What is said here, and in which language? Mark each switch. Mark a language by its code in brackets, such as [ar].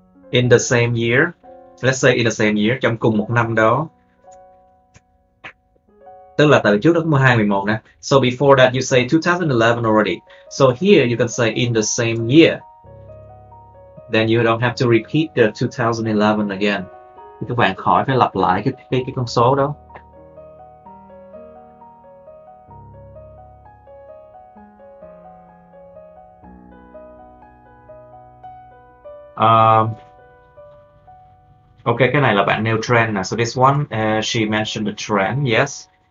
[en] In the same year, let's say in the same year, [vi] trong cùng một năm đó. Tức là từ trước đó cũng 2011 nè. [en] So before that you say 2011 already. So here you can say in the same year. Then you don't have to repeat the 2011 again. [vi] Các bạn khỏi phải lặp lại cái con số đó. [en] Okay, [vi] cái này là bạn nêu trend nè. [en] So this one, she mentioned the trend, yes.